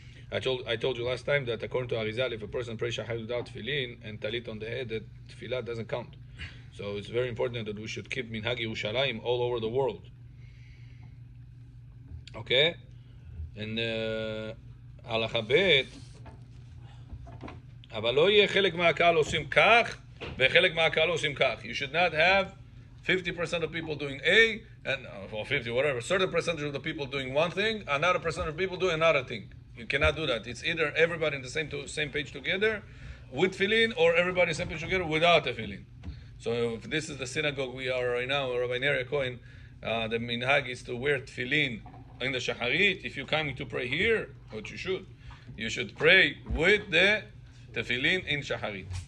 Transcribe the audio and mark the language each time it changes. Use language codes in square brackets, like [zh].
[en] I told you last time that according to Arizal, if a person prays שחרית without tefillin and טלית on the head, that תפילה doesn't count. So it's very important that we should keep מנהג ירושלים all over the world. Okay? [he] And על החבית, אבל לא יהיה חלק מהקהל עושים כך, וחלק מהקהל עושים כך. [en] You should not have 50% of people doing A, and, or 50, whatever, certain percentage of the people doing one thing, another percentage of people doing another thing. You cannot do that. It's either everybody in the same page together with tefillin, or everybody in the same page together without tefillin. So if this is the synagogue we are right now, Rabbi Neri Cohen, the minhag is to wear tefillin in the Shacharit, if you're coming to pray here, which you should pray with the tefillin in Shacharit.